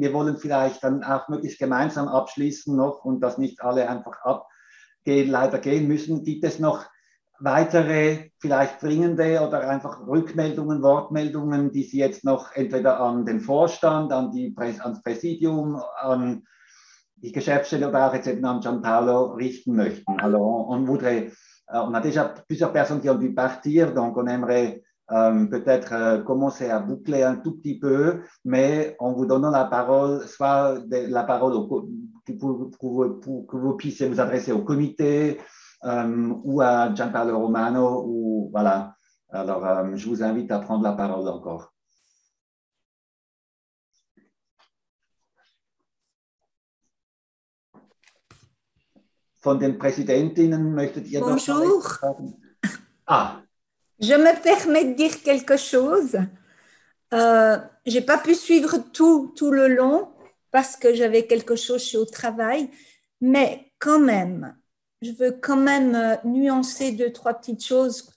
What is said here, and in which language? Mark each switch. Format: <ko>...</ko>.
<de>Wir wollen vielleicht dann auch möglichst gemeinsam abschließen noch und dass nicht alle einfach abgehen, leider gehen müssen. Gibt es noch weitere, vielleicht dringende oder einfach Rückmeldungen, Wortmeldungen, die Sie jetzt noch entweder an den Vorstand, an die ans Präsidium, an die Geschäftsstelle oder auch jetzt eben an Gianpaolo richten möchten.</de> <fr>Alors, on voudrait, on a déjà plusieurs personnes qui ont dû partir, donc on aimerait peut-être commencer à boucler un tout petit peu, mais en vous donnant la parole, soit de, la parole pour que vous puissiez vous adresser au comité ou à Gianpaolo Romano, ou voilà. Alors, je vous invite à prendre la parole encore.</fr> <de>Von den Präsidentinnen möchtet ihr noch sagen? Ah.</de> <fr>Je me permets de dire quelque chose. J'ai pas pu suivre tout le long parce que j'avais quelque chose chez au travail, mais quand même, je veux quand même nuancer 2-3 petites choses.</fr>